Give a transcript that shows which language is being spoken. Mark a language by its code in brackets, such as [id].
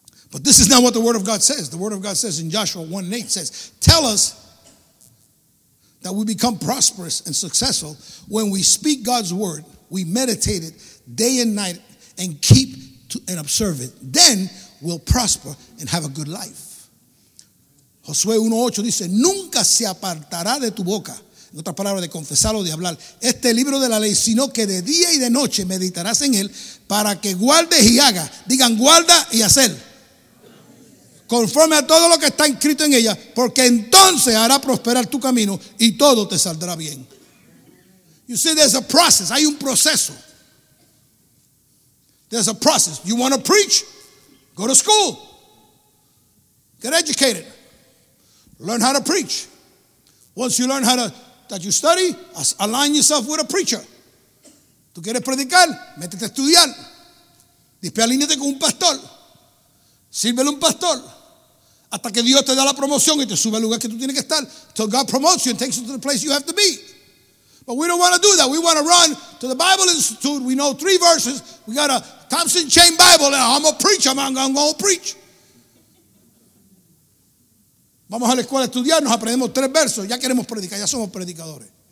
[en] But this is not what the word of God says. The word of God says in Joshua 1:8 says, tell us that we become prosperous and successful when we speak God's word, we meditate it day and night and keep to and observe it. Then we'll prosper and have a good life. [es] Josué 1:8 dice, nunca se apartará de tu boca, en otras palabras, de confesar o de hablar, este libro de la ley, sino que de día y de noche meditarás en él para que guardes y hagas. Digan, guarda y hacer. Conforme a todo lo que está escrito en ella, porque entonces hará prosperar tu camino y todo te saldrá bien. [en] You see, there's a process. [es] Hay un proceso. [en] There's a process. You want to preach? Go to school. Get educated. Learn how to preach. Once you learn how to, that you study, align yourself with a preacher. [es] Tú quieres predicar, métete a estudiar. Alíñate con un pastor. Sírvele un pastor. Hasta que Dios te da la promoción y te sube al lugar que tú tienes que estar. [en] Till God promotes you and takes you to the place you have to be. But we don't want to do that. We want to run to the Bible Institute. We know 3 verses. We got a Thompson Chain Bible. And I'm a preacher. I'm going to preach. [es] Vamos a la escuela a estudiar. Nos aprendemos 3 versos. Ya queremos predicar. Ya somos predicadores.